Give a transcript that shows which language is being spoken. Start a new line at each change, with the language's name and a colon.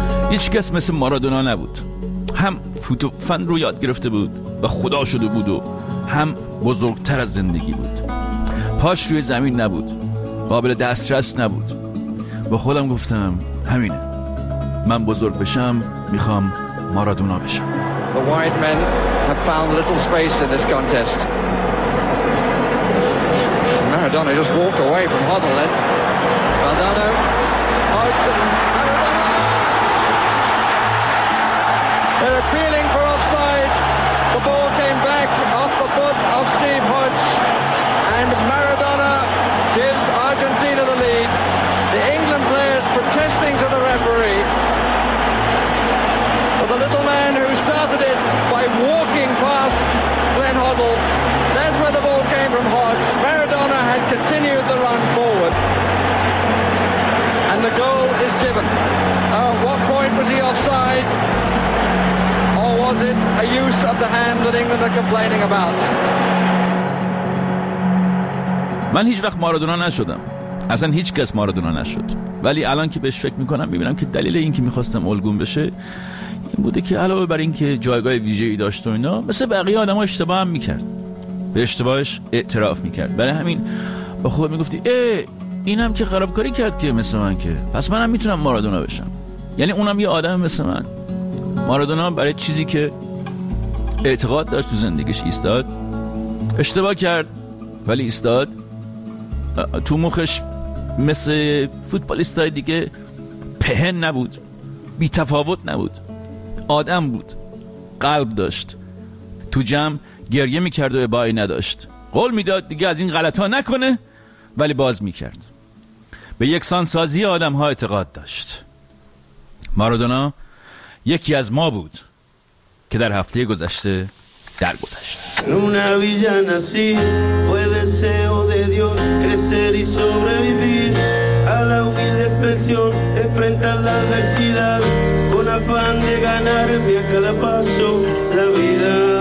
Persian: هیچ کس مثل مارادونا نبود. هم فوتوفن رو یاد گرفته بود و خدا شده بود و هم بزرگتر از زندگی بود. پاش روی زمین نبود، قابل دسترس نبود. با خودم گفتم همینه، من بزرگ بشم میخوام مارادونا بشم.
English: The white men have found little space in this contest. Maradona just walked away from Hoddle then. Valdano. They're appealing for offside. The ball came back off the foot of Steve Hodge. And Maradona gives Argentina the lead. The England players protesting to the referee. But the little man who started it by walking past Glenn Hoddle. That's where the ball came from Hodge. Maradona had continued the run forward. And the goal is given. At what point was he offside? Was it a use of the hand that England are complaining about?
Persian: من هیچ وقت مارادونا نشدم. اصلا هیچ کس مارادونا نشد. ولی الان که بهش فکر میکنم میبینم که دلیل این که میخواستم الگون بشه این بوده که علاوه بر این که جایگاه ویژه‌ای داشت و اینا، مثل بقیه آدم‌ها اشتباه هم میکرد، به اشتباهش اعتراف میکرد. برای همین با خود میگفتی ای اینم که خرابکاری کرد که مثل من، که پس منم میتونم مارادونا بشم. یعنی اونم یه آدم مثل من. مارادونا برای چیزی که اعتقاد داشت تو زندگیش ایستاد، اشتباه کرد ولی ایستاد. تو مخش مثل فوتبالیستای دیگه پهن نبود، بی تفاوت نبود، آدم بود، قلب داشت. تو جمع گریه میکرد و ابایی نداشت، قول میداد دیگه از این غلط ها نکنه ولی باز میکرد. به یکسان سازی آدم ها اعتقاد داشت. مارادونا یکی از ما بود که در هفته گذشته درگذشت.
Spanish: Luna villa nací, fue deseo de Dios crecer y sobrevivir a la humilde expresión, enfrentar la adversidad con afán de ganarme a cada paso la vida.